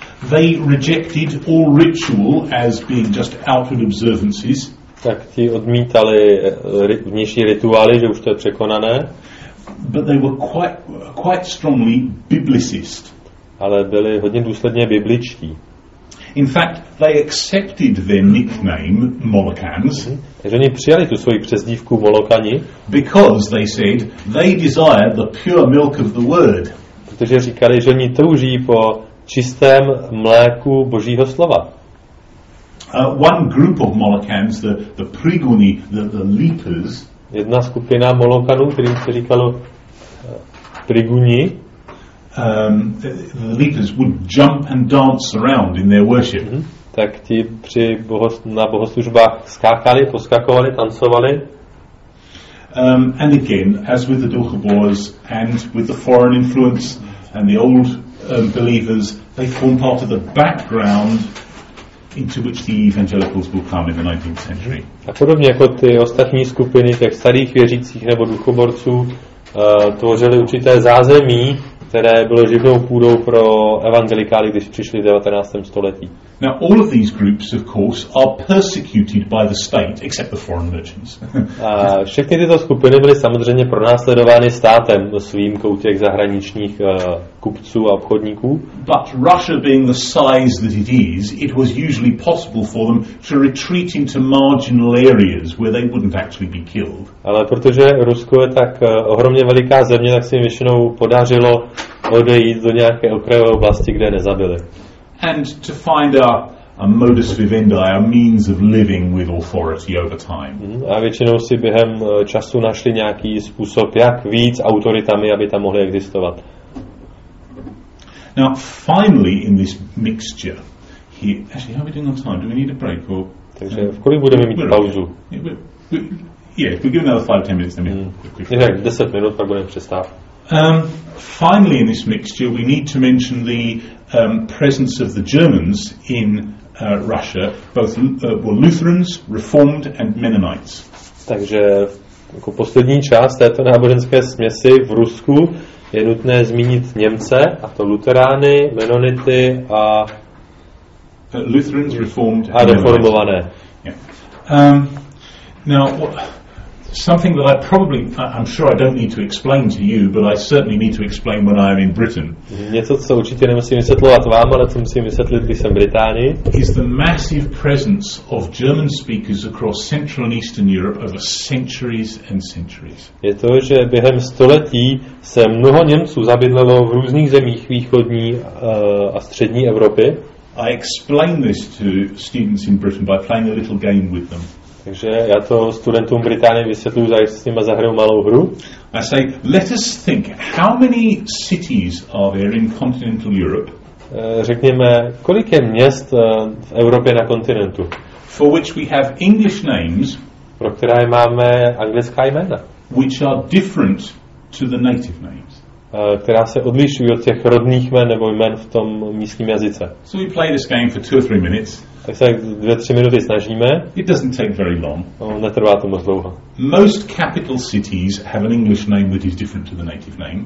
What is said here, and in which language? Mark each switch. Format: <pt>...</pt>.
<en>They rejected all ritual as being just outward observances.</en> <cs>Tak ti odmítali vnější rituály, že už to je překonané.</cs> <en>But they were quite strongly biblicist.</en> <cs>Ale byli hodně důsledně bibličtí.</cs> <en>In fact, they accepted their nickname Molokans.</en> <cs>Takže oni přijali tu svoji přezdívku Molokani.</cs> <en>Because they said they desired the pure milk of the word.</en> <cs>Protože říkali, že oni touží po čistém mléku Božího slova.</cs> <en>One group of Molokans, the Priguni, the leapers.</en> <cs>Jedna skupina Molokanů, kterým se říkalo Priguni.</cs> <en>The leapers would jump and dance around in their worship.</en> <cs>tak ti při na bohoslužbách skákali, poskakovali, tancovali.</cs> <en>And again, as with the Dukhobors and with the foreign influence and the old believers, they form part of the background into which the evangelicals will come in the 19th century.</en> <cs>A podobně jako ty ostatní skupiny těch starých věřících nebo duchoborců tvořili určité zázemí, které bylo živnou půdou pro evangelikály, když přišli v 19. století.</cs> <en>Now all of these groups, of course, are persecuted by the state, except the foreign merchants.</en> <cs>A všechny tyto skupiny byly samozřejmě pronásledovány státem s výjimkou těch zahraničních kupců a obchodníků.</cs> <en>But Russia being the size that it is, it was usually possible for them to retreat into marginal areas where they wouldn't actually be killed.</en> <cs>Ale protože Rusko je tak ohromně veliká země, tak se jim většinou podařilo odejít do nějaké okrajové oblasti, kde nezabili.</cs> <en>And to find a modus vivendi, a means of living with authority over time.</en> <cs>A většinou si během času našli nějaký způsob, jak víc autoritami, aby tam mohli existovat.</cs> <en>Now, finally, in this mixture, here, actually, how are we doing on time? Do we need a break? Or,</en> <cs>takže v kolik budeme mít pauzu?</cs> <en>Yeah, if we give another 5-10 minutes, then we'll quickly.</en> <cs>Tak 10 minut, pak budeme přestávat.</cs> <en>Finally, in this mixture, we need to mention the presence of the Germans in Russia, both were Lutherans, Reformed, and Mennonites.</en> <cs>Takže jako poslední část této náboženské směsi v Rusku je nutné zmínit Němce, a to Luterány, Mennonity a</cs> <en>Lutherans, Reformed,</en> <cs>a Reformované.</cs> <en>Now. Something that I'm sure I don't need to explain to you, but I certainly need to explain when I am in Britain.</en> <cs>Něco, co určitě nemusím vysvětlovat vám, ale co musím vysvětlit, když jsem v Británii.</cs> <en>Is the massive presence of German speakers across Central and Eastern Europe over centuries and centuries.</en> <cs>Je to, že během století se mnoho Němců zabydlelo v různých zemích východní a střední Evropy.</cs> <en>I explain this to students in Britain by playing a little game with them.</en> <cs>Takže já to studentům Británie vysvětluji, že s nimi zahraju malou hru.</cs> <en>I say, let us think, how many cities are there in continental Europe?</en> <cs>Řekněme, kolik je měst v Evropě na kontinentu?</cs> <en>For which we have English names,</en> <cs>pro které máme anglická jména.</cs> <en>Which are different to the native names.</en> <cs>Která se odlišují od těch rodných jmen nebo jmen v tom místním jazyce.</cs> <en>So we play this game for 2-3 minutes.</en> <cs>Tak se 2-3 minuty snažíme.</cs> <en>It doesn't take very long.</en> <cs>Netrvá to moc dlouho.</cs> <en>Most capital cities have an English name that is different to the native name.</en>